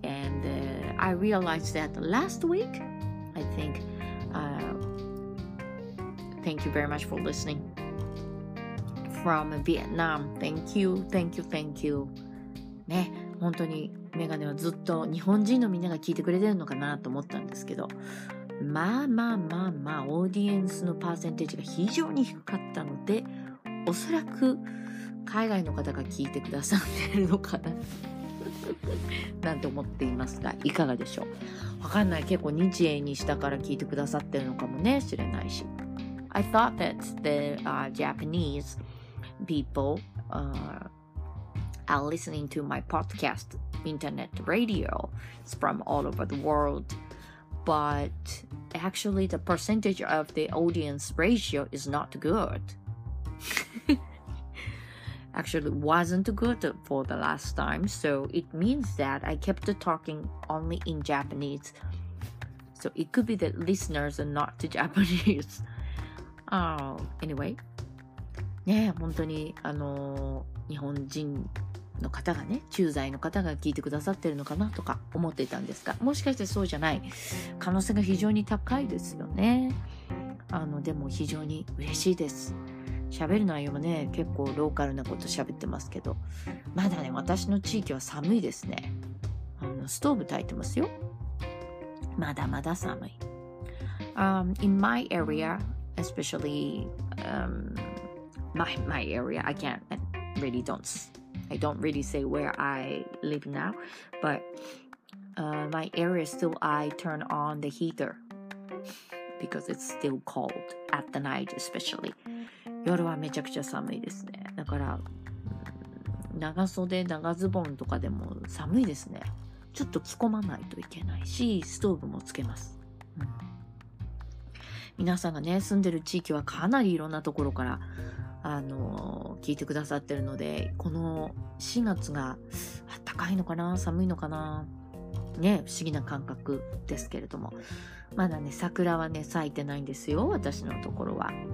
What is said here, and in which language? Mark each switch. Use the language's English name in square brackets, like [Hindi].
[English] And I realized that last week, I think, thank you very much for listening. From Vietnam. Thank you, thank you, thank you. [Japanese] ね、本当にメガネはずっと日本人のみんなが聞いてくれてるのかなと思ったんですけど、まあまあまあまあ、オーディエンスのパーセンテージが非常に低かったので、おそらく海外の方が聞いてくださってるのかな なんて思っていますが、いかがでしょう。わかんない。結構日英にしたから聞いてくださってるのかもね、知れないし。 [English] I thought that the Japanese people are listening to my podcast, internet radio. It's from all over the world. but actually the percentage of the audience ratio is not good. Actually wasn't good for the last time, so it means that I kept talking only in Japanese. So it could be that listeners are not Japanese. Oh, anyway. [Japanese] ね、本当に日本人の方がね、駐在の方が聞いてくださってるのかなとか思っていたんですが、もしかしてそうじゃない可能性が非常に高いですよね。でも非常に嬉しいです。喋る内容もね、結構ローカルなこと喋ってますけど、まだね、私の地域は寒いですね。ストーブ焚いてますよ。まだまだ寒い。 [English] In my area, especially, my area, I don't really say where I live now, but my area still, I turn on the heater because it's still cold at the night, especially. [Japanese] 夜はめちゃくちゃ寒いですね。だから長袖長ズボンとかでも寒いですね。ちょっと着込まないといけないし、ストーブもつけます、皆さんがね、住んでる地域はかなりいろんなところから聞いてくださってるので、この4月が暖かいのかな寒いのかなね、不思議な感覚ですけれども、まだね、桜はね咲いてないんですよ、私のところは。